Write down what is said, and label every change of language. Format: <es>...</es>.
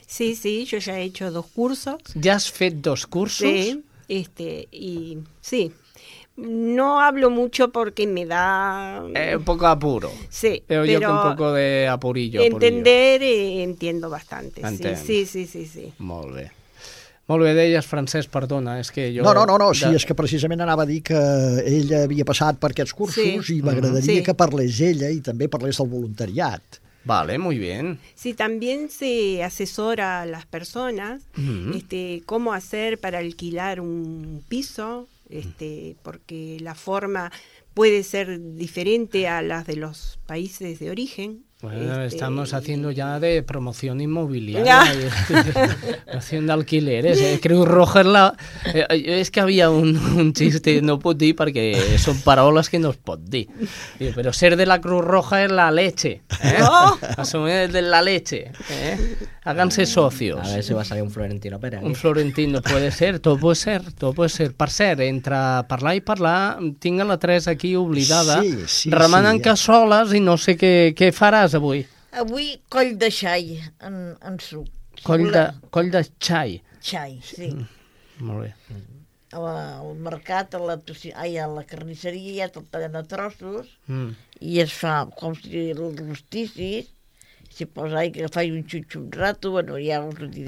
<es>Sí, sí, yo ya he hecho dos cursos.</es> <ca>¿Ya has fet dos cursos?</ca> <es>Sí, y sí. No hablo mucho porque me da... Un poco apuro. Sí, pero yo que un poco de apurillo. Entender, entiendo bastante. Entenc. Sí.</es> <ca>Molt bé. Molt bé, deies francès, perdona, és que jo... No, sí, és que precisament anava a dir que ella havia passat per aquests cursos, sí. I m'agradaria que parlés ella i també parlés del voluntariat.</ca> <es>Vale, muy bien. Sí, también se asesora a las personas cómo hacer para alquilar un piso... porque la forma puede ser diferente a las de los países de origen. Bueno, estamos haciendo ya de promoción inmobiliaria, haciendo alquileres. Creo que Roger la... es que había un chiste, no puedo decir porque son parolas que no puedo decir. Pero ser de la Cruz Roja es la leche. Asumir de la leche. Háganse socios. A ver si va a salir un Florentino Pérez. Un Florentino puede ser, todo puede ser, todo puede ser.</es> <ca>Per cert, entre parlar i parlar, tinc la Teresa aquí oblidada. Sí, sí. Remenant cassoles i no sé què farà. Avui? Avui coll de xai en suc. Coll de xai? Xai, sí. Molt bé. Al mercat, a la carnisseria, ja tot tallant a trossos, i es fa com si els rostissis, si posa aigua, que faig un xup-xup rato, bueno, ja us ho diré.</ca>